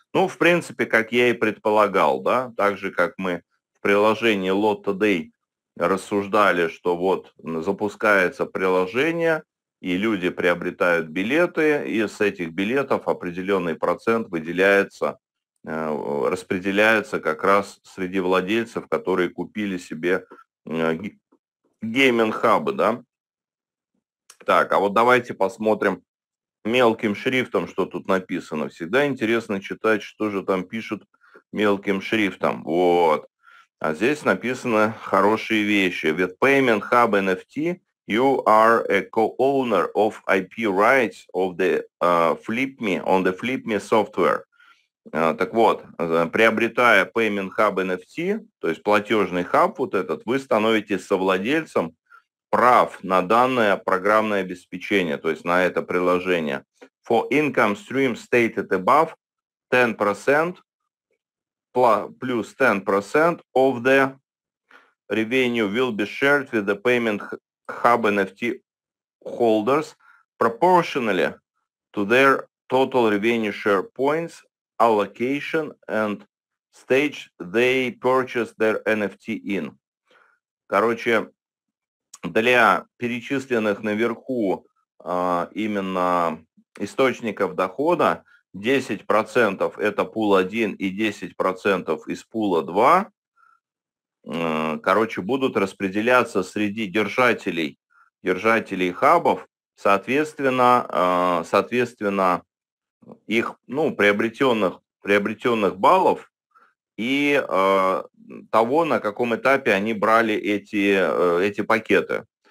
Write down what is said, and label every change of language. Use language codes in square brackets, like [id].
[ru] Ну, в принципе, как я и предполагал, да, так же, как мы в приложении Lotto Day рассуждали, что вот запускается приложение, и люди приобретают билеты, и с этих билетов определенный процент выделяется, распределяется как раз среди владельцев, которые купили себе гейминг-хабы, да. Так, а вот давайте посмотрим мелким шрифтом, что тут написано. Всегда интересно читать, что же там пишут мелким шрифтом. Вот. А здесь написано хорошие вещи. [en] With Payment Hub NFT, you are a co-owner of IP rights of the FlipMe, on the FlipMe software. [ru] Так вот, приобретая Payment Hub NFT, то есть платежный хаб вот этот, вы становитесь совладельцем прав на данное программное обеспечение, то есть на это приложение. [en] For income stream stated above, 10% plus 10% of the revenue will be shared with the payment hub NFT holders proportionally to their total revenue share points, allocation and stage they purchase their NFT in. [ru] Короче, для перечисленных наверху именно источников дохода 10% это пул 1 и 10% из пула 2, короче, будут распределяться среди держателей хабов, соответственно их, ну, приобретенных баллов и того, на каком этапе они брали эти пакеты.